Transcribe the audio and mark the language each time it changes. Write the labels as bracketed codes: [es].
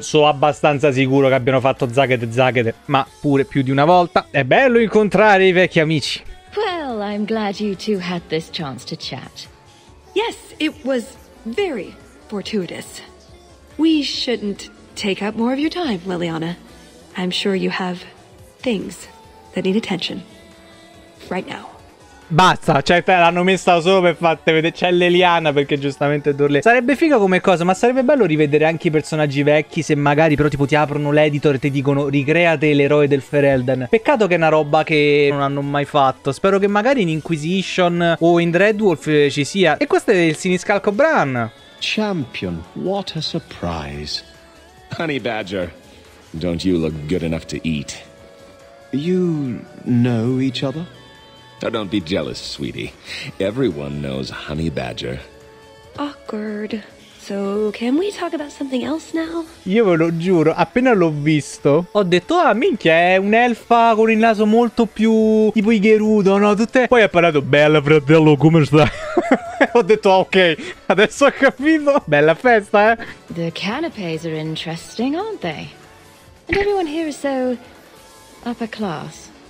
[it] So abbastanza sicuro che abbiano fatto zaghete zaghete, ma pure più di una volta. È bello incontrare i vecchi amici. [en] Well, I'm glad you two had this chance to chat. Yes, it was very fortuitous. We shouldn't take up more of your time, Liliana. I'm sure you have things that need attention right now. [it] Basta, cioè te l'hanno messa solo per farti vedere. C'è Liliana perché giustamente Dorle. Sarebbe figa come cosa, ma sarebbe bello rivedere anche i personaggi vecchi. Se magari però tipo ti aprono l'editor e ti dicono ricreate l'eroe del Ferelden. Peccato che è una roba che non hanno mai fatto. Spero che magari in Inquisition o in Dreadwolf ci sia. E questo è il Siniscalco Bran. [en] Champion, what a surprise. Honey Badger, don't you look good enough to eat? You know each other? Oh, don't be jealous, sweetie. Everyone knows Honey Badger. Awkward. So, can we talk about something else now? [it] Io ve lo giuro, appena l'ho visto, ho detto, ah, minchia, è un'elfa con il naso molto più tipo i Gerudo, no? Tutte... Poi ha parlato, bella fratello, come stai? Ho detto, ah, ok, adesso ho capito. Bella festa, eh? [en] The canapes are interesting, aren't they? And everyone here is so upper class.